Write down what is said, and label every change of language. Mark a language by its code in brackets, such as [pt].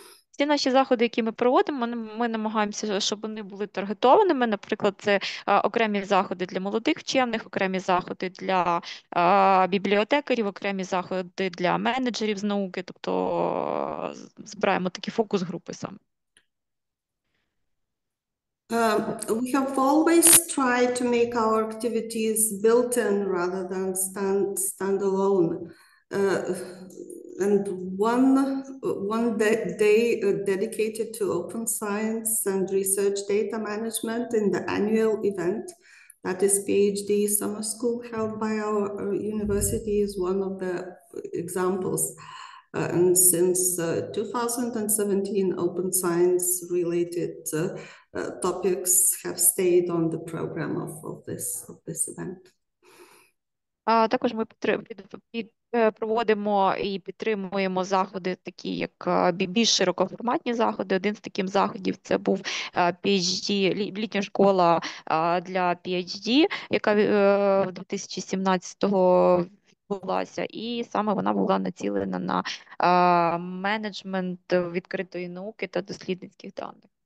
[uk] Ці наші заходи, які ми проводимо, ми намагаємося, щоб вони були таргетованими. Наприклад, це окремі заходи для молодих вчених, окремі заходи для бібліотекарів, окремі заходи для менеджерів з науки. Тобто збираємо такі фокус-групи саме. [en] We have always tried to make our activities built-in rather than stand-alone. And one day dedicated to open science and research data management in the annual event, that is PhD summer school held by our university, is one of the examples. And since 2017, open science related topics have stayed on the program of this event. [uk] Також ми проводимо і підтримуємо заходи, такі як більш широкоформатні заходи. Один з таких заходів це був PhD, літня школа для PhD, яка в 2017-го відбулася, і саме вона була націлена на менеджмент відкритої науки та дослідницьких даних.